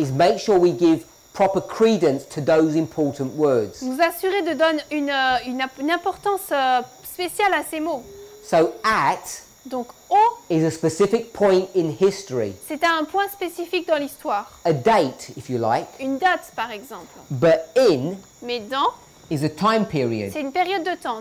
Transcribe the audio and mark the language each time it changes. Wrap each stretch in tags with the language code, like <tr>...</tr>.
<en>Is make sure we give proper credence to those important words.</en> <fr>Vous assurez de donner une importance spéciale à ces mots.</fr> <en>So at,</en> <fr>donc au,</fr> <en>is a specific point in history.</en> <fr>C'est un point spécifique dans l'histoire.</fr> <en>A date, if you like.</en> <fr>Une date, par exemple.</fr> <en>But in,</en> <fr>mais dans,</fr> <en>is a time period.</en> <fr>C'est une période de temps.</fr>